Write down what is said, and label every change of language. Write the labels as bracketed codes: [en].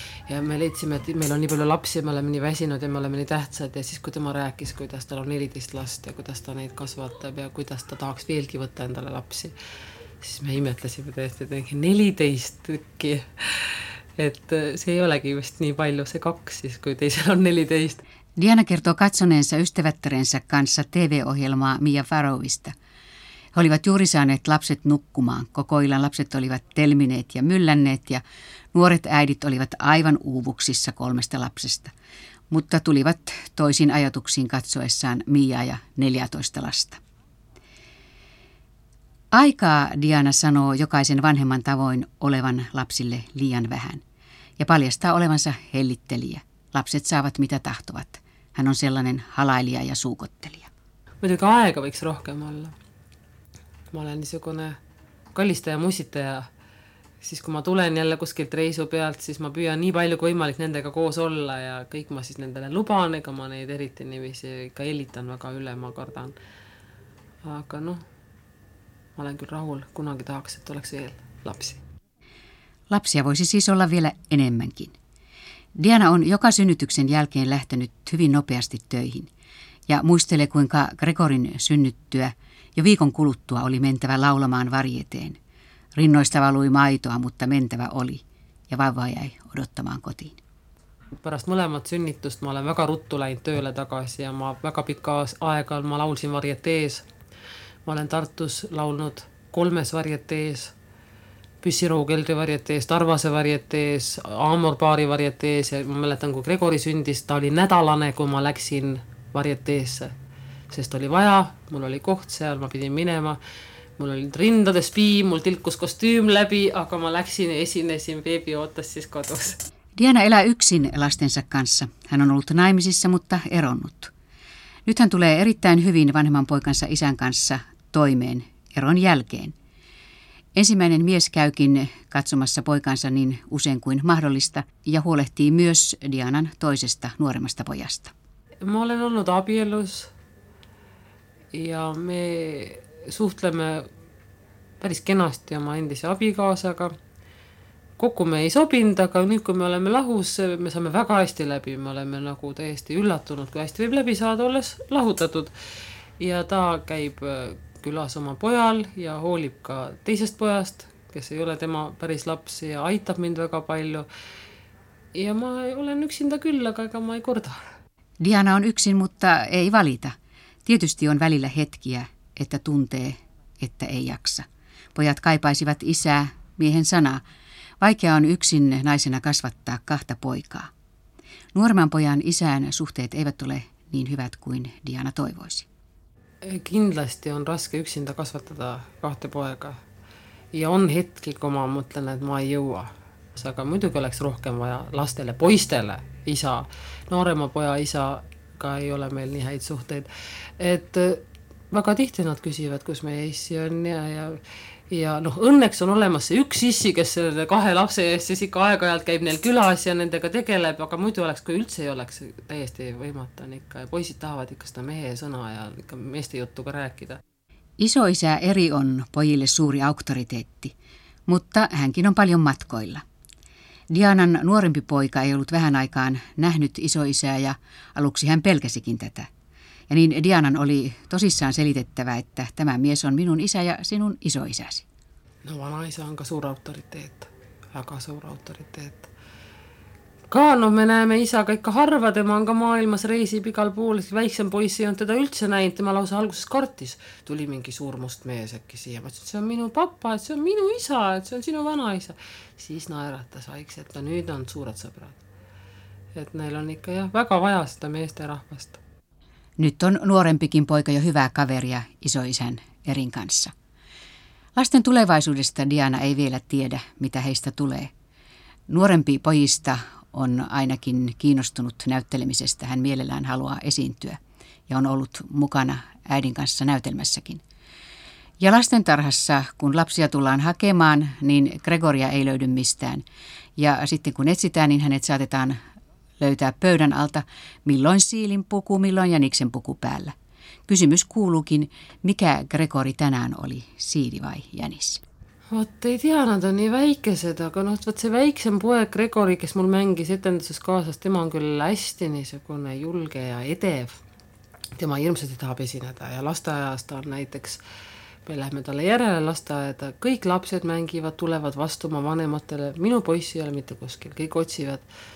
[et] Ja me leidsime, et meil on nii palju lapsi ja me oleme nii väsinud ja me oleme nii tähtsad. Ja siis kui tema rääkis, kuidas tal on 14 last ja kuidas ta neid kasvatab ja kuidas ta tahaks veelgi võtta endale lapsi, siis me imetlesime täiesti, et 14 tükki. Et see ei olegi vist nii palju, see 2 siis, kui teisel on 14. [fi] Diana kertoo katsoneensa ystävättärensä kanssa TV-ohjelmaa Mia Farrowista. He olivat juuri saaneet lapset nukkumaan. Koko illan lapset olivat telmineet ja myllänneet ja nuoret äidit olivat aivan uuvuksissa 3 lapsesta. Mutta tulivat toisiin ajatuksiin katsoessaan Mia ja 14 lasta. Aikaa, Diana sanoo jokaisen vanhemman tavoin olevan lapsille liian vähän ja paljastaa olevansa hellittelijä. Lapset saavat mitä tahtovat. Hän on sellainen halailija ja suukottelija. [et] Muidugi aega võiks rohkem olla. Ma olen niisugune kallistaja, musitaja. Siis kui ma tulen jälle kuskilt reisu pealt, siis ma püüan nii palju kui võimalik nendega koos olla ja kõik ma siis nendele luban, ega ma neid eriti niiviisi ikka elitan väga üle, ma kardan. Aga noh, ma olen küll rahul, kunagi tahaks, et oleks veel lapsi. [fi] Lapsia voisi siis olla vielä enemmänkin. Diana on joka synnytyksen jälkeen lähtenyt hyvin nopeasti töihin ja muistelee, kuinka Gregorin synnyttyä jo viikon kuluttua oli mentävä laulamaan varieteen. Rinnoista valui maitoa, mutta mentävä oli ja vauva jäi odottamaan kotiin. [et] Pärast mõlemat synnitust ma olen väga ruttu läinud tööle tagasi ja ma väga pikkas aega ma laulsin varietees. Ma olen Tartus laulnud 3 varietees. Püssiroo keldri varjetees, Tarvase varjetees, Amor paari varjetees. Ja ma mäletan, kui Gregori sündis, ta oli nädalane, kui ma läksin varjeteesse. Sest oli vaja, mul oli koht seal, ma pidin minema. Mul oli rindades piim, mul tilkus kostüüm läbi, aga ma läksin ja esinesin, beebi ootas siis kodus. [fi] Diana elää yksin lastensa kanssa. Hän on ollut naimisissa, mutta eronnut. Nyt hän tulee erittäin hyvin vanhemman poikansa isän kanssa toimeen eron jälkeen. Ensimmäinen mies käykin katsomassa poikansa niin usein kuin mahdollista ja huolehtii myös Dianan toisesta nuoremmasta pojasta. [et] Mä olen ollut abielus ja me suhtlemme päris kenasti oma endise abikaasaga. Kokku me ei sobinud, aga nüüd kui me oleme lahus, me saame väga hästi läbi. Me oleme nagu täiesti üllatunud, kui hästi võib läbi saada olles lahutatud. Ja ta käib külas oma pojal ja hoolib ka teisest pojast, kes ei ole tema päris laps ja aitab mind väga palju. Ja ma olen üksinda küll, aga ega ma ei korda. [fi] Diana on yksin, mutta ei valita. Tietysti on välillä hetkiä, että tuntee, että ei jaksa. Pojat kaipaisivat isää, miehen sanaa. Vaikea on yksin naisena kasvattaa kahta poikaa. Nuoremman pojan isään suhteet eivät ole niin hyvät kuin Diana toivoisi. [et] Kindlasti on raske yksintä kasvattada kahte poikaa. Ja on hetki, kun ma mõtlen, et ma ei jõua. Aga muidugi oleks rohkem vaja lastele, poistele isa. Noorema poja isa ka ei ole meil nii häid suhteid. Et väga tihti nad küsivad, kus meie issi on ja noh, õnneks on olemas see üks issi, kes selle kahe lapse eest siis ikka aegajalt käib neil külas ja nendega tegeleb, aga muidu oleks, kui üldse ei oleks, täiesti võimata ikka. Ja poisid tahavad ikka seda mehe sõna ja ikka meeste juttuga rääkida. [fi] Isoisä Eri on pojille suuri auktoriteetti, mutta hänkin on paljon matkoilla. Dianan nuorempi poika ei ollut vähän aikaan nähnyt isoisää ja aluksi hän pelkäsikin tätä. Ja niin Dianan oli tosissaan selitettävä, että tämä mies on minun isä ja sinun isoisäsi. [et] No vanhaisä on ka suur autoriteet, väga suur autoriteet. Ka, no me näeme isa kaikka harva, tema on ka maailmas reisib igal pool, väiksem poiss ei on teda üldse näinud, tema lausa alguses kartis. Tuli mingi suur must mees äkki siia, ma ütlesin, see on minu pappa, et see on minu isa, et see on sinu vanhaisa. Siis naeratas vaikse, et ta nüüd on suured sõbrad. Et neil on ikka jah, väga vaja seda meeste rahvast. [fi] Nyt on nuorempikin poika jo hyvää kaveria isoisän Erin kanssa. Lasten tulevaisuudesta Diana ei vielä tiedä, mitä heistä tulee. Nuorempi pojista on ainakin kiinnostunut näyttelemisestä. Hän mielellään haluaa esiintyä ja on ollut mukana äidin kanssa näytelmässäkin. Ja lastentarhassa, kun lapsia tullaan hakemaan, niin Gregoria ei löydy mistään. Ja sitten kun etsitään, niin hänet saatetaan löytää pöydän alta, milloin siilin puku, milloin jäniksen puku päällä. Kysymys kuuluukin, mikä Gregori tänään oli, siili vai jänis? [et] Vot ei tea, nad on nii väikesed, aga noh, vot see väiksem poeg Gregori, kes mul mängis etenduses kaasas, tema on küll hästi niisugune julge ja edev. Tema hirmsasti tahab esineda ja lasteajast on näiteks, me lähme talle järele lasteajada, kõik lapsed mängivad, tulevad vastuma vanematele, minu poissi ei ole mitte kuskil, kõik otsivad.